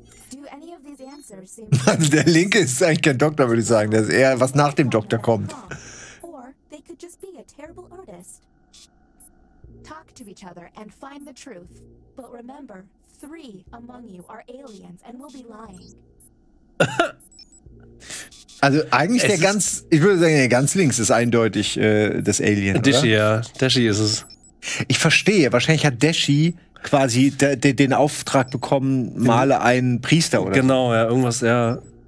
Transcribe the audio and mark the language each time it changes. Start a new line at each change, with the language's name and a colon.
English: Do any of these answers seem to be...
German: Der Linke ist eigentlich kein Doktor, würde ich sagen. Das ist eher, was nach dem Doktor kommt.
English: Or they could just be a terrible artist. Talk to each other and find the truth. But remember, three among you are aliens and will be lying.
German: Also eigentlich der ganz, ich würde sagen, der ganz links ist eindeutig das Alien, oder? Deshi, ja. Deshi ist es. Ich verstehe, wahrscheinlich hat Deshi quasi den Auftrag bekommen, male einen Priester oder genau, so. Genau, ja, irgendwas, ja.